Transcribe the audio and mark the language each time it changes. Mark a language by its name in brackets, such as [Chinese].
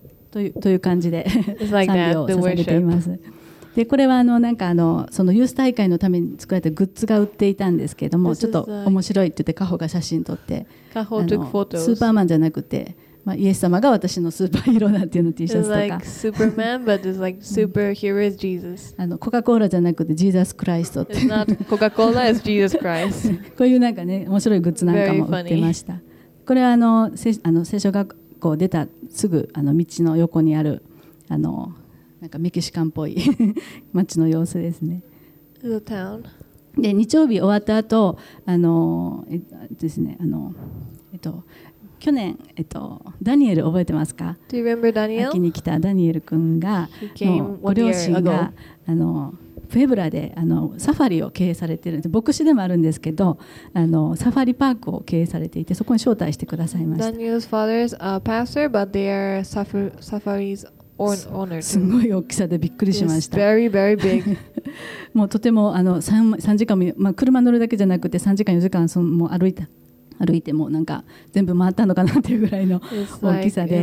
[Japanese] という感じで賛美を捧げています。でこれはあのなんかあのそのユース大会のために作られたグッズが売っていたんですけれども、ちょっと面白いって言ってカホが写真撮って、 [English] カホ took photos。 [Japanese] スーパーマンじゃなくて、まあイエス様が私のスーパーヒーローだっていうの T シャツとか。 [English] It's like Superman, but it's like superhero is Jesus。 [Japanese] あのコカコーラじゃなくてジーザスクライストって。 [English] It's not Coca-Cola, it's Jesus Christ。 [Japanese] こういうなんかね面白いグッズなんかも売ってました。これはあの聖書学校こう出たすぐあの道の横にあるあのなんかメキシカンっぽい町の様子ですね。 [English] The town. [Japanese] で日曜日終わった後あのですねあの去年ダニエル覚えてますか？ [English] Do you remember Daniel? [Japanese] 秋に来たダニエル君がご両親が。あのフェブラであのサファリを経営されているんで牧師でもあるんですけどあのサファリパークを経営されていてそこに招待してくださいました。 [English] Daniel's father is a pastor, but they are safari's owner. [Japanese] すごい大きさでびっくりしました。 [English] It's very, very big. [Japanese] もうとてもあの 3時間も、まあ、車乗るだけじゃなくて3時間4時間そのもう歩いてもうなんか全部回ったのかなっていうぐらいの大きさで、